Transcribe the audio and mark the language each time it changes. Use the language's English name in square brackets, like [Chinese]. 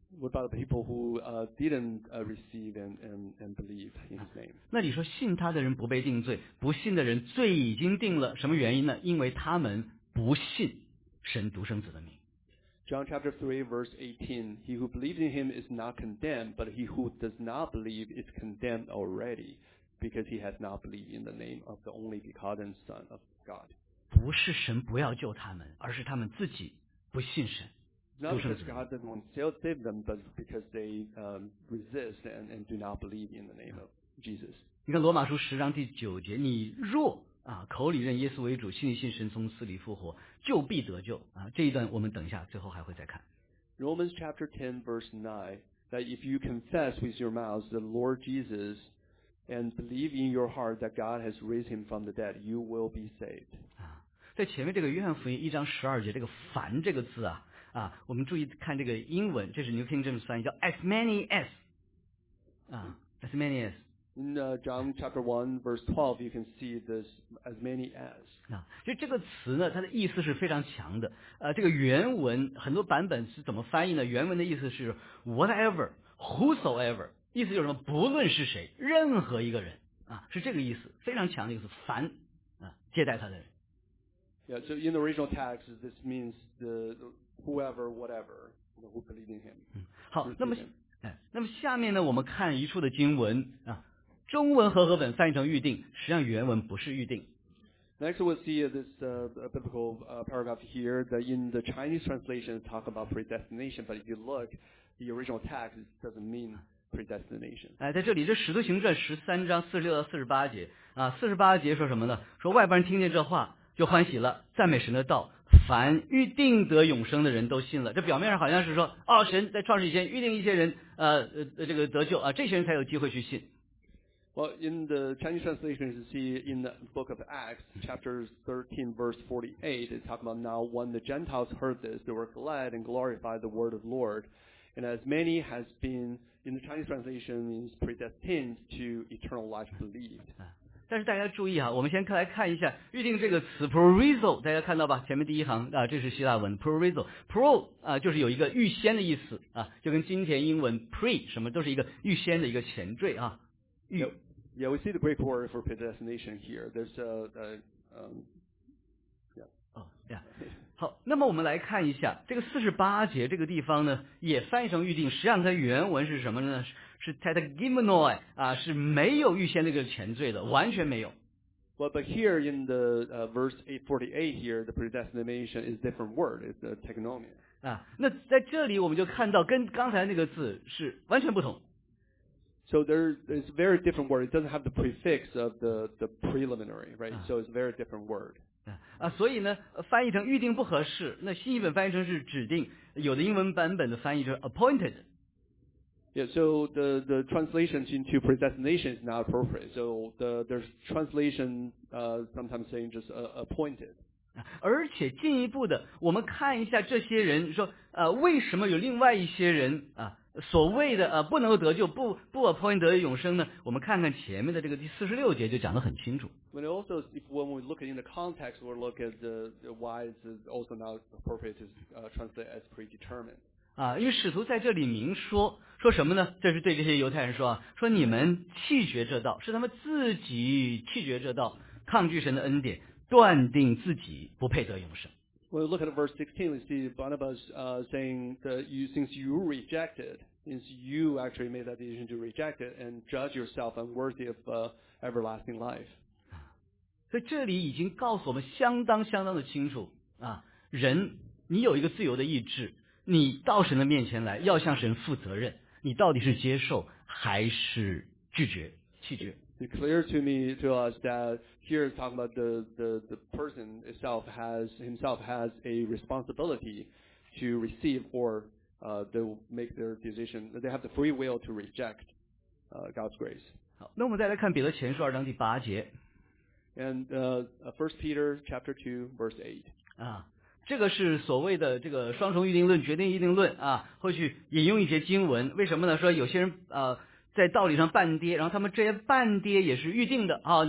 [English] What about the people who didn't receive and believe in his name? [Chinese] 那你说信他的人不被定罪，不信的人罪已经定了，什么原因呢？因为他们不信神独生子的名。 [English] John chapter 3 verse 18, he who believes in him is not condemned, but he who does not believe is condemned already. Because he has not believed in the name of the only begotten Son of God. [Chinese] 不是神不要救他们，而是他们自己不信神。 [English] Not because God doesn't want to save them, but because they resist and do not believe in the name of Jesus. [Chinese] 你看罗马书十章第九节，你若啊口里认耶稣为主，心里信神从死里复活，就必得救啊。这一段我们等一下最后还会再看。 [English] Romans chapter 10 verse 9, that if you confess with your mouth the Lord Jesus. And believe in your heart that God has raised him from the dead, you will be saved. [Chinese] 啊，在前面这个约翰福音一章十二节，这个凡这个字啊，啊，我们注意看这个英文，这是 New King James 翻译叫 [English] as many as. 啊 ，as many as. In John chapter 1 verse 12, you can see this as many as. [Chinese] 啊，就这个词呢，它的意思是非常强的。这个原文很多版本是怎么翻译呢？原文的意思是 whatever, whosoever. 意思就是什么？不论是谁，任何一个人啊，是这个意思，非常强的意思。凡啊，接待他的人。 [English] Yeah, so in the original text, this means the whoever, whatever, who believe in him. [Chinese] 好，那么，那么下面呢，我们看一处的经文啊，中文和合本翻译成预定，实际上原文不是预定。 [English] Next, we'll see this biblical paragraph here that in the Chinese translation talk about predestination, but if you look the original text, it doesn't mean. Predestination. [Chinese] 哎，在这里，这《使徒行传》十三章四十六到四十八节啊，四十八节说什么呢？说外邦人听见这话就欢喜了，赞美神的道。凡预定得永生的人都信了。这表面上好像是说，哦，神在创世以前预定一些人，这个得救啊，这些人才有机会去信。 [English] Well, in the Chinese translation, you see in the book of Acts, chapter 13, verse 48, it talks about now when the Gentiles heard this, they were glad and glorified the word of the Lord, and as many has been. In the Chinese translation, means predestined to eternal life believed. [Chinese] 但是大家注意啊，我们先来看一下预定这个词 prorizo， 大家看到吧？前面第一行啊，这是希腊文 prorizo， pro 啊就是有一个预先的意思啊，就跟今天英文 pre 什么都是一个预先的一个前缀啊。 [English] Yeah, we see the Greek word for predestination here. There's a [Chinese] 好，那么我们来看一下这个四十八节这个地方呢，也翻译成预定。实际上它原文是什么呢？是 tetagimenoi 啊，是没有预先那个前缀的，完全没有。 [English] Well, but here in the verse 848 here, the predestination is different word. It's a tetagimenoi. [Chinese] 啊，那在这里我们就看到跟刚才那个字是完全不同。 [English] So there is very different word. It doesn't have the prefix of the preliminary, right?、啊、 so it's a very different word. [Chinese] 啊，所以呢，翻译成预定不合适。那新译本翻译成是指定，有的英文版本的翻译就是 appointed。 [English] Yeah, so the translation into predestination is not appropriate. So there's translation sometimes saying just appointed. [Chinese] 而且进一步的，我们看一下这些人说，为什么有另外一些人啊，所谓的不能够得救，不 appointed 得永生呢？我们看看前面的这个第四十六节就讲得很清楚。 [English] But also, if when we look in the context, we look at the why it's also not appropriate to translate as predetermined. [Chinese] 啊，因为使徒在这里明说，说什么呢？这是对这些犹太人说啊，说你们弃绝这道，是他们自己弃绝这道，抗拒神的恩典，断定自己不配得永生。 [English] Well, look at verse 16, we see Barnabas saying that you, since you rejected, since you actually made that decision to reject it and judge yourself unworthy of everlasting life. [Chinese] 所以这里已经告诉我们相当相当的清楚啊，人，你有一个自由的意志，你到神的面前来要向神负责任，你到底是接受还是拒绝弃绝。 [English] It's clear to me, to us, that here it's talking about the person itself has, himself has a responsibility to receive or to make their decision. They have the free will to reject God's grace. [Chinese] 好，那我们再来看彼得前书二章第八节。 [English] And First Peter chapter 2, verse 8. [Chinese] 啊，这个是所谓的这个双重预定论、决定预定论啊，或许引用一些经文，为什么呢？说有些人在道理上半跌，然后他们这些半跌也是预定的啊！